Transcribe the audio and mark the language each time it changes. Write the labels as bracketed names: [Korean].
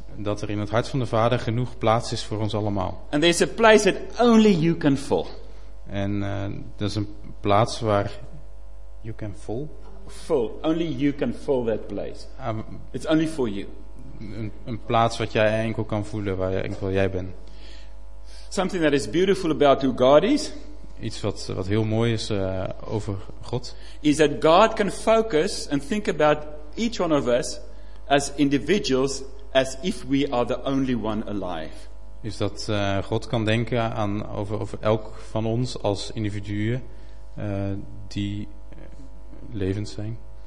[Dutch] Dat er in het hart van de Vader genoeg plaats is voor ons allemaal. [English] And there's a place that only you can fill. [Dutch] En dat is een plaats waar [English] you can fill. Full. Only you can fill that place. It's only for you. [Dutch] Een plaats wat jij enkel kan voelen, waar enkel jij bent. [English] Something that is beautiful about who God is. [Dutch] Iets wat heel mooi is over God. [English] Is that God can focus and think about each one of us as individuals as if we are the only one alive. [Dutch] Is dat God kan denken aan over elk van ons als individuen die levend zijn.